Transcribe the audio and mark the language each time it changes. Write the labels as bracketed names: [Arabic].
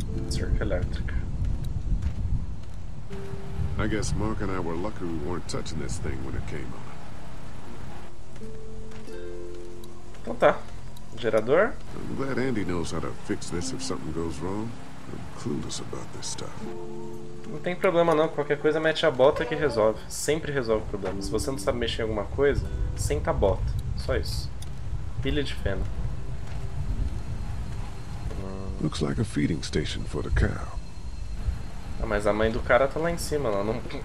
[Portuguese] Cerca elétrica. [English] I guess Mark and I were lucky we weren't touching this thing when it came on. [Portuguese] Então tá, gerador. [English] I'm glad Andy knows how to fix this if something goes wrong. I'm clueless about this stuff. [Portuguese] Não tem problema não, qualquer coisa mete a bota que resolve. Sempre resolve o problema. Se você não sabe mexer em alguma coisa, senta a bota. Só isso. Pilha de feno. [English] Looks like a feeding station for the cow. [Portuguese] Ah, mas a mãe do cara tá lá em cima, ela não.